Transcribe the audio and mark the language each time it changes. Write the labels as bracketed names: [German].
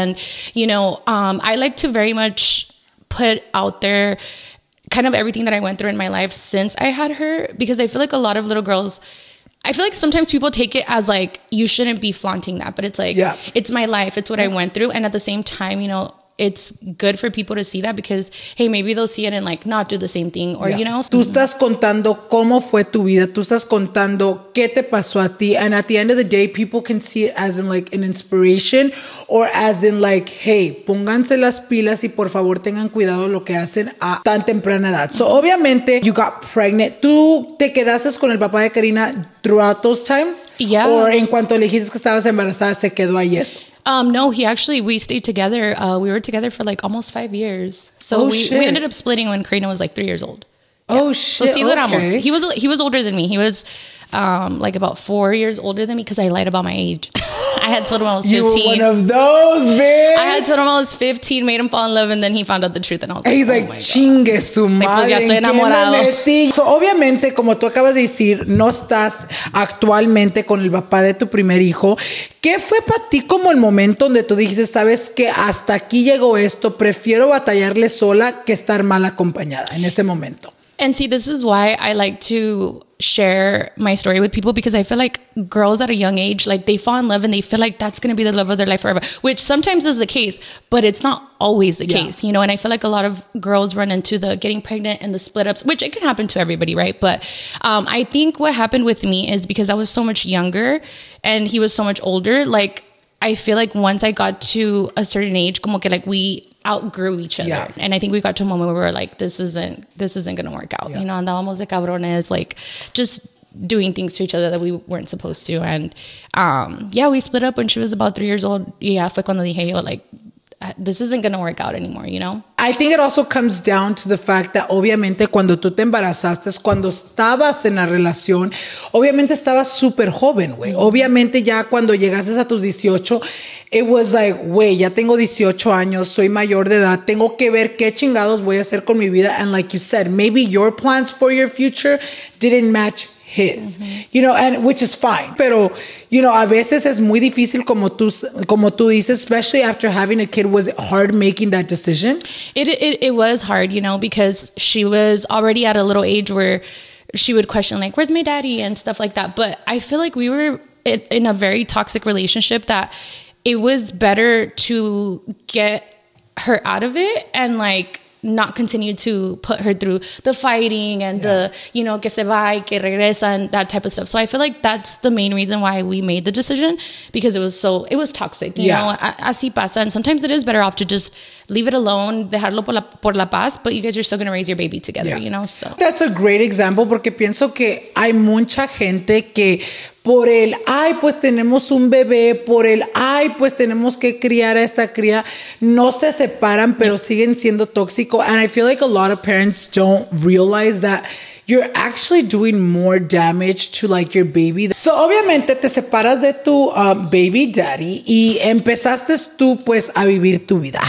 [English] And, you know, I like to very much put out there kind of everything that I went through in my life since I had her, because I feel like a lot of little girls, I feel like sometimes people take it as like, you shouldn't be flaunting that, but it's like, it's my life. It's what I went through. And at the same time, you know, it's good for people to see that, because, hey, maybe they'll see it and like not do the same thing or, you know. [Spanish] Tú estás contando cómo fue tu vida. Tú estás contando qué te pasó a ti. [English] And at the end of the day, people can see it as in like an inspiration, or as in like, hey, [Spanish] pónganse las pilas y por favor tengan cuidado lo que hacen a tan temprana edad. [English] So [Spanish] obviamente [English] you got pregnant. [Spanish] Tú te quedaste con el papá de Karina [English] throughout those times. Yeah. [Spanish] Or en cuanto le dijiste que estabas embarazada, se quedó ahí eso. [English] No, he actually, we stayed together. We were together for like almost 5 years. So we ended up splitting when Karina was like 3 years old. He was older than me. He was like about 4 years older than me, because I lied about my age. I had told him I was 15. You were one of those, bitch. I had told him I was 15, made him fall in love, and then he found out the truth, and I was like, he's like, [Spanish] chingue su madre. Ya estoy enamorado. So obviamente, como tú acabas de decir, no estás actualmente con el papá de tu primer hijo. ¿Qué fue para ti como el momento donde tú dijiste, sabes que hasta aquí llegó esto, prefiero batallarle sola que estar mal acompañada en ese momento? [English] And see, this is why I like to share my story with people, because I feel like girls at a young age, like they fall in love and they feel like that's going to be the love of their life forever, which sometimes is the case, but it's not always the case, you know? And I feel like a lot of girls run into the getting pregnant and the split ups, which it can happen to everybody, right? But I think what happened with me is because I was so much younger and he was so much older. Like, I feel like once I got to a certain age, [Spanish] como que [English] like we outgrew each other. Yeah. And I think we got to a moment where we're like, this isn't going to work out. Yeah. You know, and that was like cabrones, like just doing things to each other that we weren't supposed to. And we split up when she was about 3 years old. Yeah, [Spanish] fue cuando dije yo, [English] like, this isn't going to work out anymore, you know? I think it also comes down to the fact that [Spanish] obviamente cuando tú te embarazaste, cuando estabas en la relación, obviamente estabas súper joven, güey. Obviamente ya cuando llegaste a tus 18, [English] it was like, [Spanish] güey, ya tengo 18 años, soy mayor de edad, tengo que ver qué chingados voy a hacer con mi vida. [English] And like you said, maybe your plans for your future didn't match his, you know, and which is fine. [Spanish] Pero, [English] you know, [Spanish] a veces es muy difícil como tú dices, [English] especially after having a kid. Was it hard making that decision? It was hard, you know, because she was already at a little age where she would question like, where's my daddy and stuff like that. But I feel like we were in a very toxic relationship that it was better to get her out of it and like not continue to put her through the fighting and the, you know, [Spanish] que se va y que regresa [English] and that type of stuff. So I feel like that's the main reason why we made the decision, because it was toxic, you know, [Spanish] así pasa. [English] And sometimes it is better off to just leave it alone, [Spanish] dejarlo por la paz, [English] but you guys are still going to raise your baby together, you know, so. That's a great example, [Spanish] porque pienso que hay mucha gente que por el, ay, pues tenemos un bebé, por el, ay, pues tenemos que criar a esta cría, no se separan, pero siguen siendo tóxico. [English] And I feel like a lot of parents don't realize that you're actually doing more damage to like your baby. [Spanish] So obviamente te separas de tu baby daddy y empezaste tú pues a vivir tu vida.